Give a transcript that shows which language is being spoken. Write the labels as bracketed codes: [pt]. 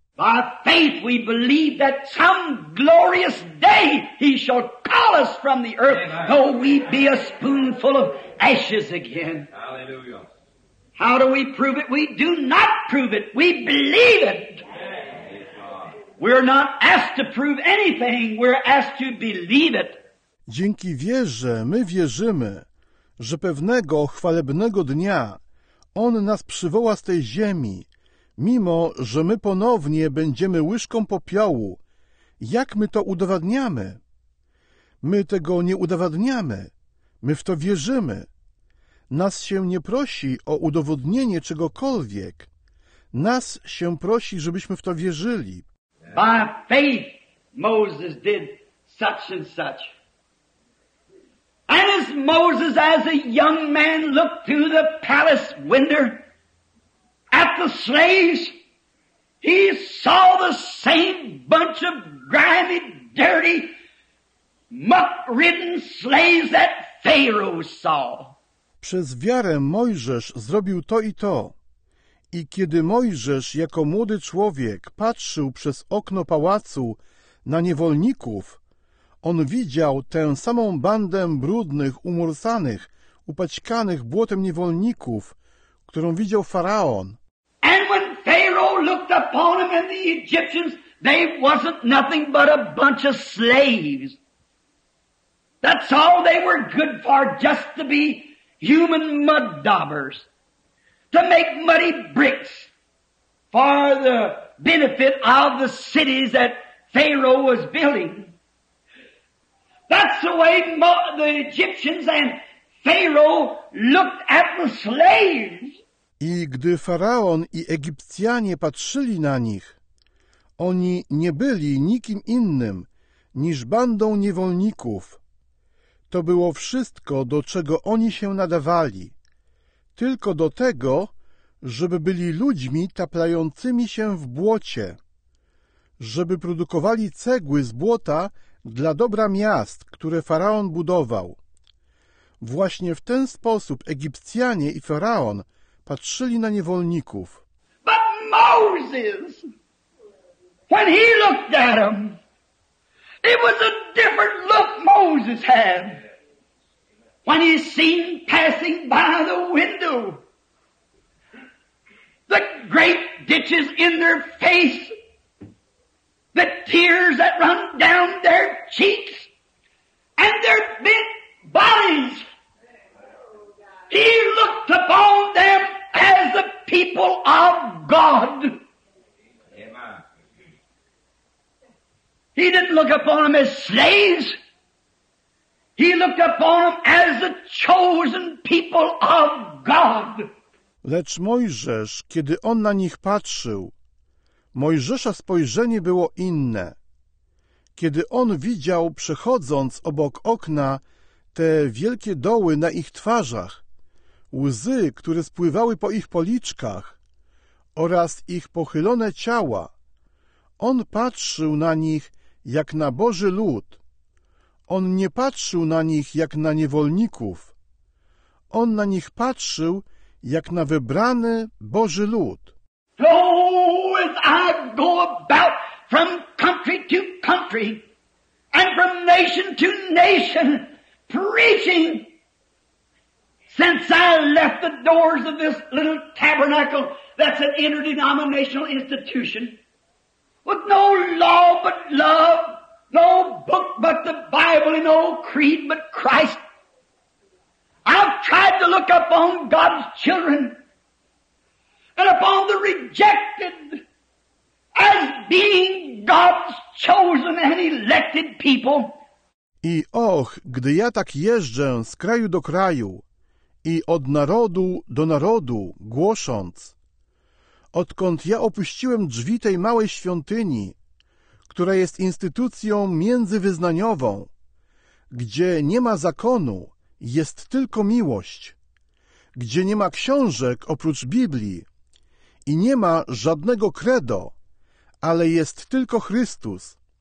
[en] By faith we believe that some glorious day he shall call us from the earth, amen, though we be a spoonful of ashes again. Hallelujah. How do we prove it? We do not prove it. We believe it. We're not asked to prove anything. We're asked to believe it. [pl] Dzięki wierze my wierzymy, że pewnego chwalebnego dnia On nas przywoła z tej ziemi, mimo że my ponownie będziemy łyżką popiołu. Jak my to udowadniamy? My tego nie udowadniamy. My w to wierzymy. Nas się nie prosi o udowodnienie czegokolwiek. Nas się prosi, żebyśmy w to wierzyli. [en] By faith Moses did such and such. And as Moses as a young man looked through the palace window at the slaves, he saw the same bunch of grimy, dirty, muck-ridden slaves that Pharaoh saw. [pl] Przez wiarę Mojżesz zrobił to i to. I kiedy Mojżesz jako młody człowiek patrzył przez okno pałacu na niewolników, on widział tę samą bandę brudnych, umorsanych, upaćkanych błotem niewolników, którą widział Faraon. [en] And when Pharaoh looked upon him and the Egyptians, they wasn't nothing but a bunch of slaves. That's all they were good for, just to be human mud daubers, to make muddy bricks for the benefit of the cities that Pharaoh was building. That's the way the Egyptians and Pharaoh looked at the slaves. [pl] I gdy Faraon i Egipcjanie patrzyli na nich, oni nie byli nikim innym niż bandą niewolników. To było wszystko, do czego oni się nadawali. Tylko do tego, żeby byli ludźmi taplającymi się w błocie, żeby produkowali cegły z błota dla dobra miast, które Faraon budował. Właśnie w ten sposób Egipcjanie i Faraon patrzyli na niewolników. [en] But Moses, when he looked at them, it was a different look Moses had when he seen passing by the window the great ditches in their face, the tears that run down their cheeks and their bent bodies. He looked upon them as the people of God. Amen. He didn't look upon them as slaves. He looked upon them as the chosen people of God. [pl] Lecz Mojżesz, kiedy on na nich patrzył, Mojżesza spojrzenie było inne. Kiedy on widział, przechodząc obok okna, te wielkie doły na ich twarzach, łzy, które spływały po ich policzkach, oraz ich pochylone ciała, on patrzył na nich jak na Boży lud. On nie patrzył na nich jak na niewolników. On na nich patrzył jak na wybrany Boży lud. [en] Oh, as I go about from country to country and from nation to nation preaching, since I left the doors of this little tabernacle that's an interdenominational institution with no law but love, no book but the Bible, and no creed but Christ, I've tried to look upon God's children and upon the rejected as being God's chosen and elected people. [pl] I och, gdy ja tak jeżdżę z kraju do kraju i od narodu do narodu głosząc, odkąd ja opuściłem drzwi tej małej świątyni, która jest instytucją międzywyznaniową, gdzie nie ma zakonu, jest tylko miłość, gdzie nie ma książek oprócz Biblii, i nie ma żadnego credo, ale jest tylko Chrystus.